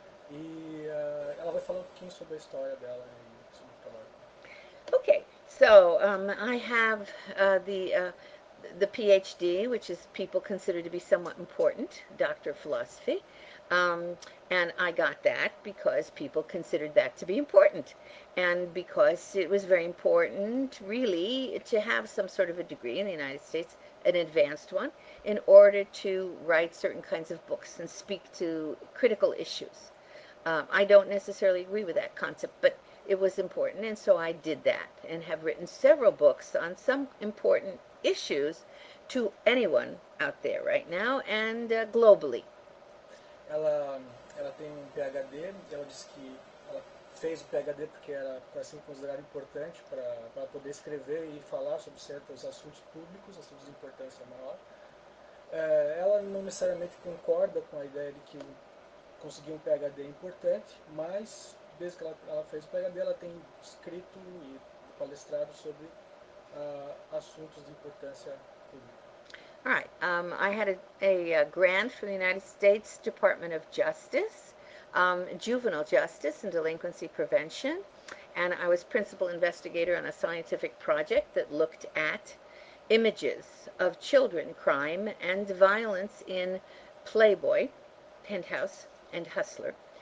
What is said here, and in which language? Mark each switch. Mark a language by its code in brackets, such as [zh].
[pt] E ela vai falar um pouquinho sobre a história dela e sobre o trabalho. [en] Okay, so I have the PhD, which is people consider to be somewhat important, Doctor of Philosophy, and I got that because people considered that to be important, and because it was very important, really, to have some sort of a degree in the United States, an advanced one, in order to write certain kinds of books and speak to critical issues. I don't necessarily agree with that concept, but it was important, and so I did that, and have written several books on some important issues to anyone out there right now and globally. [pt] Ela tem um PhD, ela disse que ela fez o PhD porque era para ser considerado importante para poder escrever e falar sobre certos assuntos públicos, assuntos de importância maior. Ela não necessariamente concorda com a ideia de que conseguir um PhD é importante, mas desde que ela fez o PhD, ela tem escrito e palestrado sobre assuntos de importância pública. [en] All right, I had a grant from the United States Department of Justice, juvenile justice and delinquency prevention, and I was principal investigator on a scientific project that looked at images of children crime and violence in Playboy, Penthouse, and Hustler.